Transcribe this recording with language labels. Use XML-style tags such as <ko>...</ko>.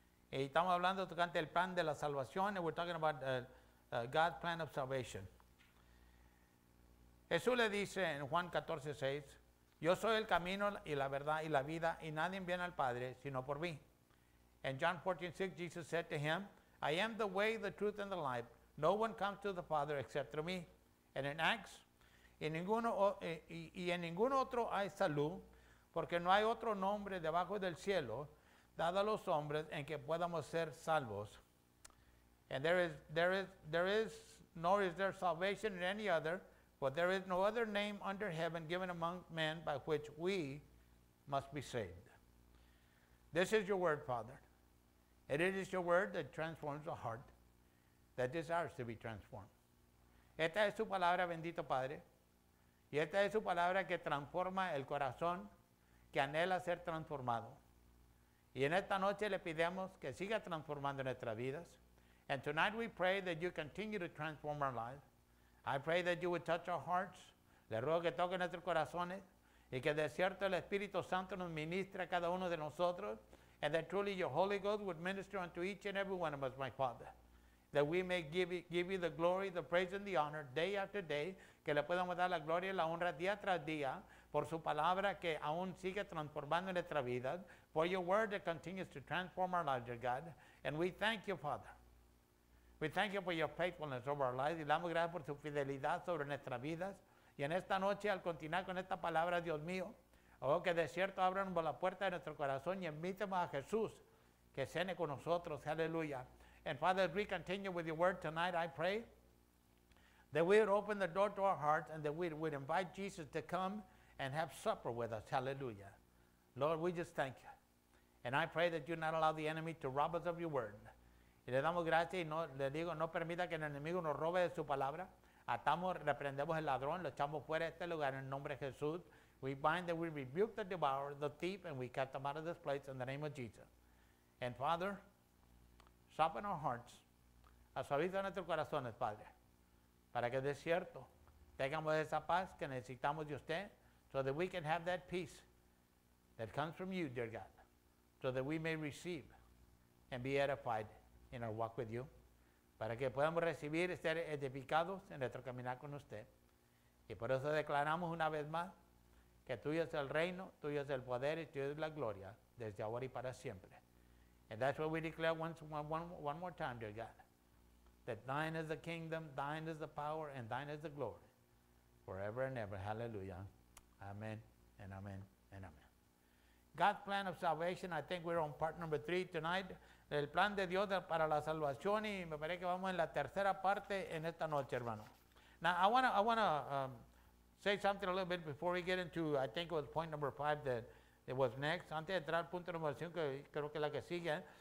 <es>Y estamos hablando tocante el plan de la salvación.</es> <en>And we're talking about God's plan of salvation.</en> <es>Jesús le dice en Juan 14, 6. Yo soy el camino y la verdad y la vida, y nadie viene al Padre sino por mí.</es> <en>In John 14, 6, Jesus said to him, I am the way, the truth, and the life. No one comes to the Father except through me. And in Acts,</en> <es>y en ninguno otro hay salud, porque no hay otro nombre debajo del cielo dado a los hombres en que podamos ser salvos.</es> <en>And there is salvation in any other, for there is no other name under heaven given among men by which we must be saved. This is your word, Father. And it is your word that transforms the heart, that desires to be transformed.</en> <es>Esta es su palabra, bendito Padre. Y esta es su palabra que transforma el corazón que anhela ser transformado. Y en esta noche le pedimos que siga transformando nuestras vidas.</es> <en>And tonight we pray that you continue to transform our lives. I pray that you would touch our hearts.</en> <es>Le ruego que toque nuestros corazones. Y que de cierto el Espíritu Santo nos ministre a cada uno de nosotros.</es> <en>And that truly your Holy Ghost would minister unto each and every one of us, my Father. That we may give you the glory, the praise, and the honor day after day.</en> <es>Que le podamos dar la gloria y la honra día tras día por su palabra que aún sigue transformando nuestra vida.</es> <en>For your word that continues to transform our lives, dear God. And we thank you, Father. We thank you for your faithfulness over our lives.</en> <es>Y damos gracias por su fidelidad sobre nuestras vidas. Y en esta noche, al continuar con esta palabra, Dios mío, oh, que de cierto abran por la puerta de nuestro corazón y invítame a Jesús que cene con nosotros. Aleluya.</es> <en>And Father, as we continue with your word tonight, I pray that we would open the door to our hearts and that we would invite Jesus to come and have supper with us. Hallelujah. Lord, we just thank you. And I pray that you not allow the enemy to rob us of your word.</en> <es>Y le damos gracias y no, le digo, no permita que el enemigo nos robe de su palabra. Atamos, reprendemos el ladrón, lo echamos fuera de este lugar en el nombre de Jesús.</es> <en>We bind that we rebuke the devourer, the thief, and we cast them out of this place in the name of Jesus. And Father, soften our hearts.</en> <es>Suaviza nuestros corazones, Padre. Para que de cierto tengamos esa paz que necesitamos de usted.</es> <en>So that we can have that peace that comes from you, dear God. So that we may receive and be edified in our walk with you.</en> <es>Para que podamos recibir y ser edificados en nuestro caminar con usted. Y por eso declaramos una vez más que tuyo es el reino, tuyo es el poder y tuyo es la gloria desde ahora y para siempre.</es> <en>And that's what we declare one more time, dear God, that thine is the kingdom, thine is the power, and thine is the glory, forever and ever. Hallelujah. Amen and amen and amen. God's plan of salvation, I think we're on part number 3 tonight.</en> <es>El plan de Dios para la salvación, y me parece que vamos en la tercera parte en esta noche, hermano.</es> <en>Now, I want to say something a little bit before we get into, I think it was point number 5 that it was next.</en> <es>Antes de entrar al punto número 5, creo que es la que sigue.</es>